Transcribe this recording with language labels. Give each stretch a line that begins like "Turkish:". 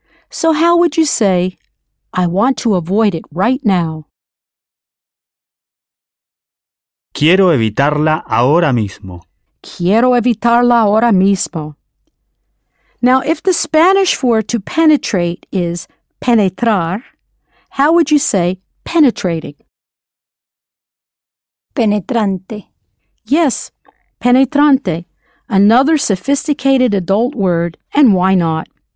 English: So how would you say, "I want to avoid it right now"?
Spanish: Quiero evitarla ahora mismo. Quiero evitarla ahora mismo.
English: Now, if the Spanish for to penetrate is penetrar, how would you say penetrating?
Spanish: Penetrante.
English: Yes, penetrante, another sophisticated adult word, and why not?